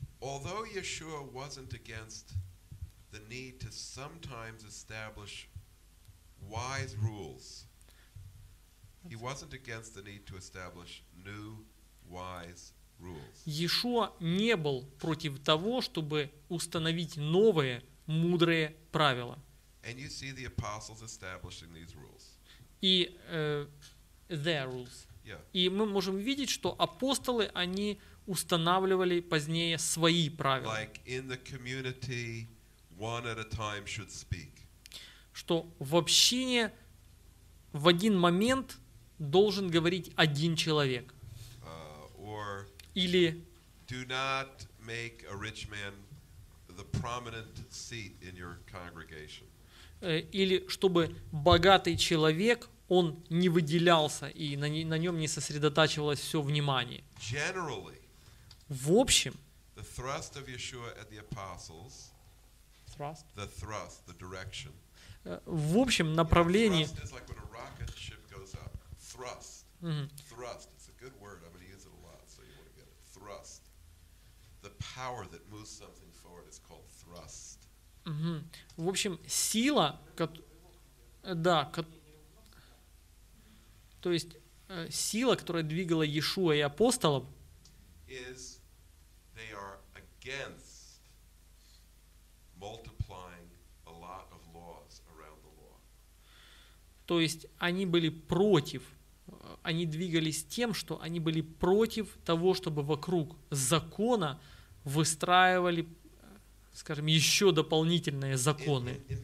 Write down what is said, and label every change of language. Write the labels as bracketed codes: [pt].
[en] Although Yeshua wasn't against the need to sometimes establish wise rules, he wasn't against the need to establish new wise rules. [ru] Yeshua не был против того, чтобы установить новые мудрые правила. [en] And you see the apostles establishing these rules. [ru] И [en] their rules. Yeah. [ru] И мы можем видеть, что апостолы, они устанавливали позднее свои правила. [en] Like in the community, one at a time should speak. [ru] Что в общине в один момент должен говорить один человек. [en] Or [ru] или [en] do not make a rich man the prominent seat in your congregation. [ru] Или чтобы богатый человек, он не выделялся и на нем не сосредотачивалось все внимание. [en] Generally, [ru] в общем, [en] the thrust of Yeshua at the apostles, thrust? The thrust, the direction. В общем, направление, thrust is like when a rocket ship goes up. Thrust. Mm-hmm. Thrust. It's a good word. I'm going to use it a lot, so you want to get it. Thrust. The power that moves something forward is called thrust. Угу. [ru] В общем, сила, то есть сила, которая двигала Иешуа и апостолов, [en] is they are against multiplying a lot of laws around the law. [ru] То есть они были против, они двигались тем, что они были против того, чтобы вокруг закона выстраивали, скажем, еще дополнительные законы.